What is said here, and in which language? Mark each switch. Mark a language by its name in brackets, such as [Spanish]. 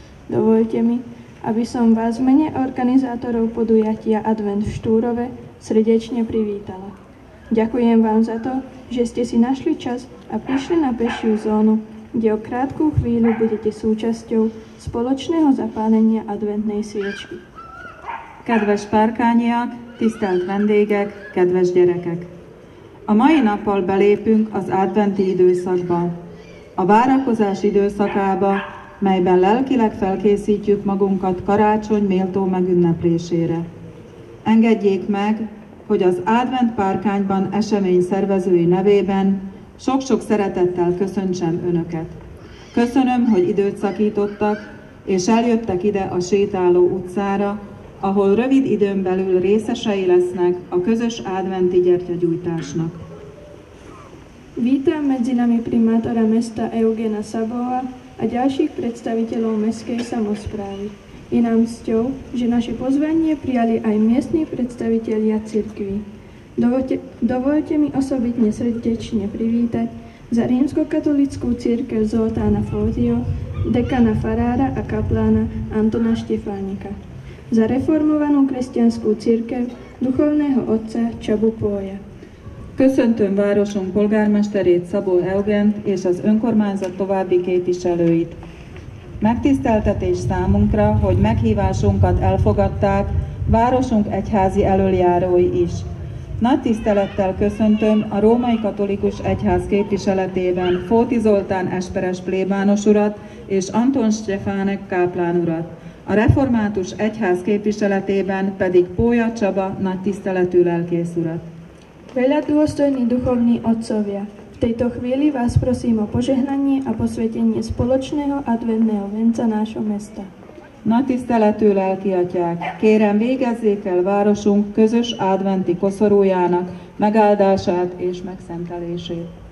[Slovak] Dovoľte mi, aby som vás v mene organizátorov podujatia Advent v Štúrove srdečne privítala. Ďakujem vám za to, že ste si našli čas a prišli na pešiu zónu, kde o krátku chvíľu budete súčasťou spoločného zapálenia adventnej sviečky. [Hungarian] Kedves párkányiak, tisztelt vendégek, kedves gyerekek! A mai nappal belépünk az adventi időszakba. A várakozás időszakába, melyben lelkileg felkészítjük magunkat karácsony méltó megünneplésére. Engedjék meg, hogy az advent párkányban esemény szervezői nevében sok-sok szeretettel köszöntsem Önöket. Köszönöm, hogy időt szakítottak, és eljöttek ide a sétáló utcára, ahol rövid időn belül részesei lesznek a közös adventi gyertyagyújtásnak. [Slovak] Vítam medzi nami primátora mesta Eugena Szabóa a ďalších predstaviteľov mestskej samosprávy. Je nám cťou, že naše pozvanie prijali aj miestni predstavitelia cirkvi. Dovoľte mi osobitne srdečne privítať za rímskokatolickú cirkev Zoltána Fózio, dekana farára a kaplána Antona Štefánika, za reformovanú kresťanskú cirkev duchovného otca Csabu Pólya. [Hungarian] Köszöntöm városunk polgármesterét, Szabó Eugent, és az önkormányzat további képviselőit. Megtiszteltetés számunkra, hogy meghívásunkat elfogadták városunk egyházi elöljárói is. Nagy tisztelettel köszöntöm a Római Katolikus Egyház képviseletében Fóti Zoltán esperes plébános urat és Anton Stefánek káplán urat. A Református Egyház képviseletében pedig Pólya Csaba nagy tiszteletű lelkész urat. [Slovak] Veľadôstojní duchovní otcovia, v tejto chvíli vás prosím o požehnanie a posvetenie spoločného adventného venca nášho mesta. [Hungarian] Nagy tiszteletű lelki atyák, kérem végezzék el városunk közös adventi koszorújának megáldását és megszentelését.